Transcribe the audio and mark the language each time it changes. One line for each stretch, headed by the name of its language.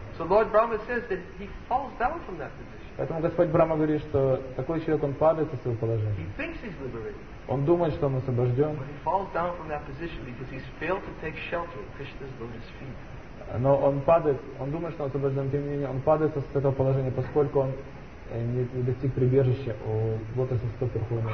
English: So Lord Brahma says that he falls down from that position.
Russian: Поэтому Господь Брама говорит, что такой человек, он падает из своего положения.
English: He thinks he's liberated.
Russian: Он думает, что он освобожден.
English: But he falls down from that position because he's failed to take shelter at Krishna's lotus feet.
Russian: Но он падает, он думает, что он освобожден, тем не менее, он падает с этого положения, поскольку он не достиг прибежища у лотоса стоп Верховного